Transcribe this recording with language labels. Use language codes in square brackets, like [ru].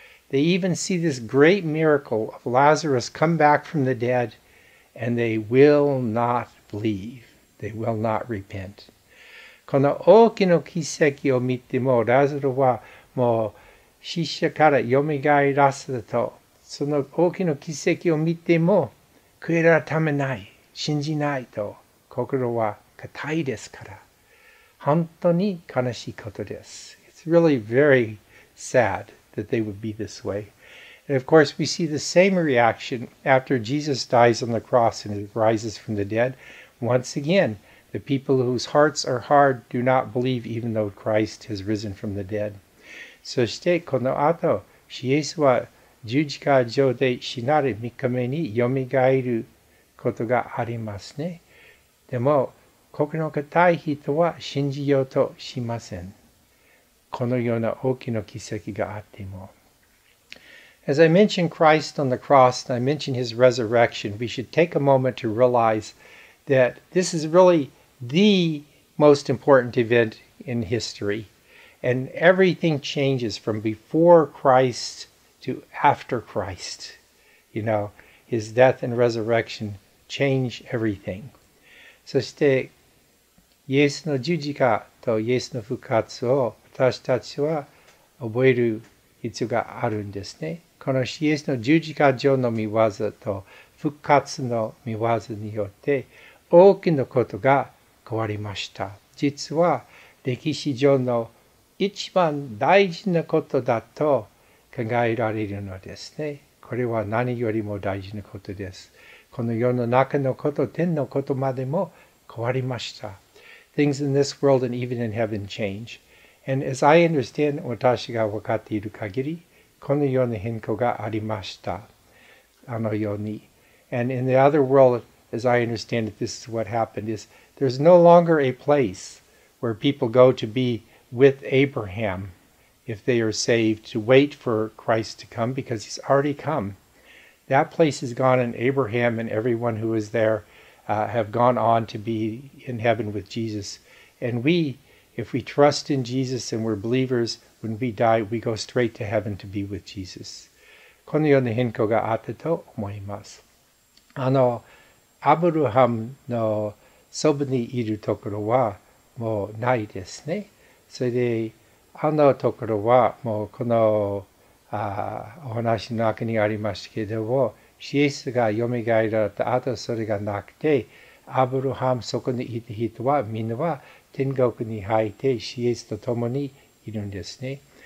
[en] They even see this great miracle of Lazarus come back from the dead, and they will not believe. They will not repent. [ja] この大きな奇跡を見ても、ラザロはもう死者からよみがえらせたと、その大きな奇跡を見ても、悔い改めない、信じないと、心は硬いですから。本当に悲しいことです。 [en] It's really very sad. That they would be this way. And of course, we see the same reaction after Jesus dies on the cross and rises from the dead. Once again, the people whose hearts are hard do not believe even though Christ has risen from the dead. [ja] そしてこの後、イエスは十字架上で死なれ三日目によみがえることがありますね。でも、心の硬い人は信じようとしません。このような大きな奇跡があっても。 [en] As I mentioned Christ on the cross and I mentioned his resurrection, we should take a moment to realize that this is really the most important event in history. And everything changes from before Christ to after Christ. You know, his death and resurrection change everything. [ja] そして、イエスの十字架とイエスの復活を私たちは覚える必要があるんですね。このイエスの十字架上の御業と復活の御業によって大きなことが変わりました。実は歴史上の一番大事なことだと考えられるのですね。これは何よりも大事なことです。この世の中のこと、天のことまでも変わりました。 [en] Things in this world and even in heaven change. And as I understand, [ja] 私が分かっている限り、このような変化がありました。あの世に。 [en] And in the other world, as I understand it, this is what happened, is there's no longer a place where people go to be with Abraham if they are saved to wait for Christ to come because he's already come. That place is gone and Abraham and everyone who is there have gone on to be in heaven with Jesus. And we, if we trust in Jesus and we're believers, when we die, we go straight to heaven to be with Jesus. [ja] このような変化があったと思います。あのアブラハムのそばにいるところはもうないですね。それであのところはもうこのお話の中にありましたけれども、シエスが蘇った後それがなくて、アブラハムそこにいた人はみんなは天国に入ってシエスと共にいるんですね。